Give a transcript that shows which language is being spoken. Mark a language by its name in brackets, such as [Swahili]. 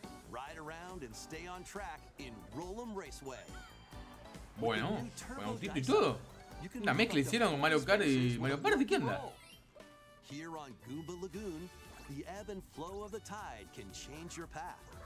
[English] Ride around and stay on track in Rollum Raceway. [Spanish] Bueno, buen título y todo. La mezcla hicieron con Mario Kart y Mario Party, ¿qué onda? [English] Here on Goomba Lagoon, the ebb and flow of the tide can change your path.